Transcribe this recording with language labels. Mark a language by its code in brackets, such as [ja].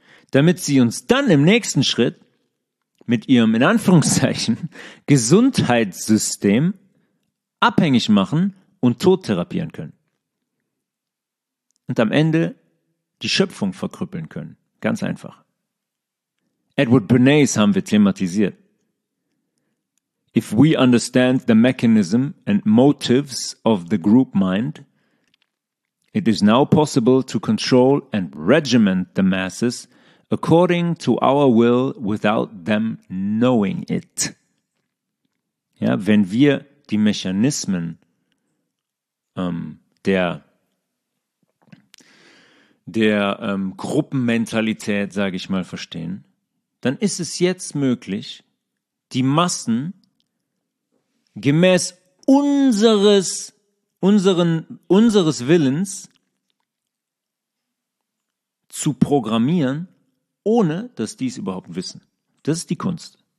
[de] Damit sie uns dann im nächsten Schritt mit ihrem, in Anführungszeichen, Gesundheitssystem abhängig machen und tottherapieren können. Und am Ende die Schöpfung verkrüppeln können. Ganz einfach. Edward Bernays haben wir thematisiert. [en] If we understand the mechanism and motives of the group mind, it is now possible to control and regiment the masses according to our will without them knowing it. [de] Ja, wenn wir die Mechanismen der Gruppenmentalität, sage ich mal, verstehen, dann ist es jetzt möglich, die Massen gemäß unseres Willens zu programmieren, ohne dass die es überhaupt wissen. Das ist die Kunst.